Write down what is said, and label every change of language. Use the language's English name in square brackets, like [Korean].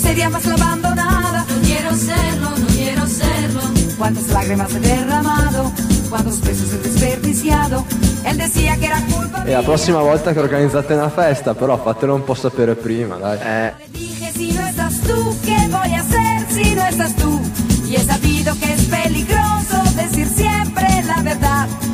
[Spanish] Más lo abandonada, no quiero serlo. Cuántas lágrimas he derramado, cuántos pesos he desperdiciado. Él decía que era culpa mía. [Italian] E la prossima volta che organizzate una festa, però fatelo un po' sapere prima, dai. [Spanish] Le dije, si no estás tú, ¿qué voy a hacer si no estás tú? Y he sabido que es peligroso decir siempre la verdad.